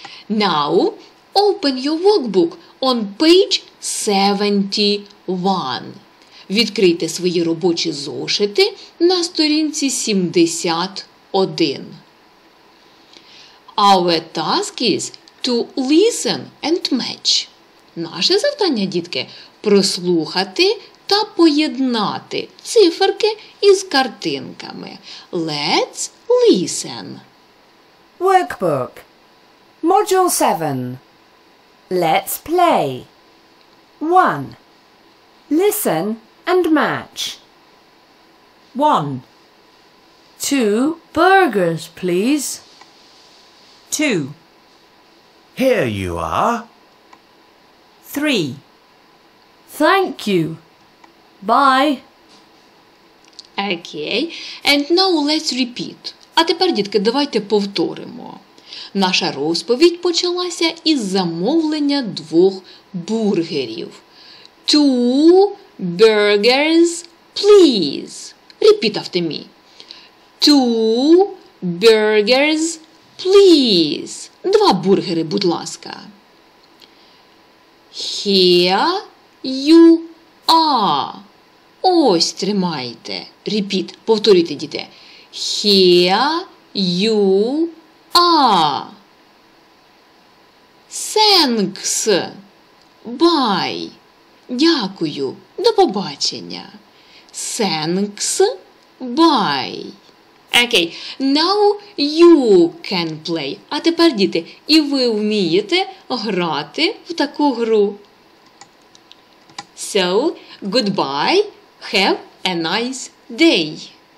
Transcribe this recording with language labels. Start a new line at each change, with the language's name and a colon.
English: Now, open your workbook on page 71.
Ukrainian: Відкрийте свої робочі зошити на сторінці 71.
English: Our task is to listen and match.
Ukrainian: Наше завдання, дітки, прослухати та та поєднати циферки із картинками.
English: Let's listen. Workbook. Module 7. Let's play. 1. Listen and match. 1. 2 burgers, please. 2. Here you are. 3. Thank you. Bye. Okay, and now let's repeat.
Ukrainian: А тепер, дітки, давайте повторимо. Наша розповідь почалася із замовлення двох бургерів.
English: Two burgers, please. Repeat after me. Two burgers, please.
Ukrainian: Два бургери, будь ласка.
English: Here you are.
Ukrainian: Ось, тримайте.
English: Repeat,
Ukrainian: повторюйте, діти.
English: Here you are. Thanks. Bye.
Ukrainian: Дякую. До побачення.
English: Thanks. Bye. Okay. Now you can play.
Ukrainian: А тепер, діти, і ви вмієте грати в таку гру.
English: So, goodbye. Have a nice day.